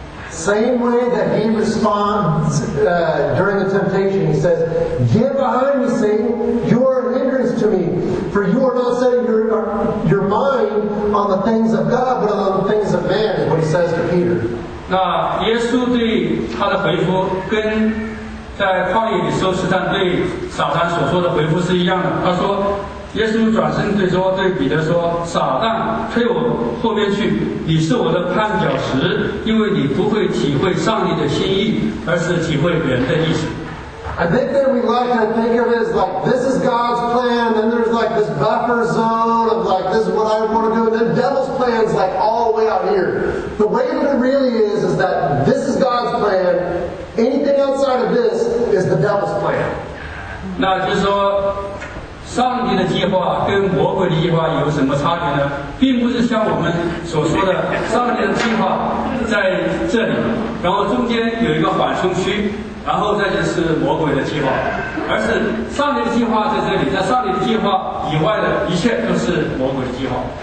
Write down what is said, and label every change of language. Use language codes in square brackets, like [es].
[en] Same way that he responds during the temptation, he says, "Get behind me, Satan! You are a hindrance to me, for you are not setting your mind on the things of God, but on the things of man." Is what he says to Peter. [zh] 那耶稣对他的回复跟在旷野里受试探对撒旦所说的回复是一样的。他说。耶稣转身对彼得说：“撒旦，退我后面去！你是我的绊脚石，因为你不会体会上帝的心意，而是体会人的意思。” [en] I think that we like to think of it as like this is God's plan, and there's like this buffer zone of like this is what I want to do, and then devil's plan is like all the way out here. The way that it really is that this is God's plan. Anything outside of this is the devil's plan. [zh] 那就是说。上帝的计划跟魔鬼的计划有什么差别呢？并不是像我们所说的，上帝的计划在这里，然后中间有一个缓冲区，然后再就是魔鬼的计划，而是上帝的计划在这里，在上帝的计划以外的一切都是魔鬼的计划。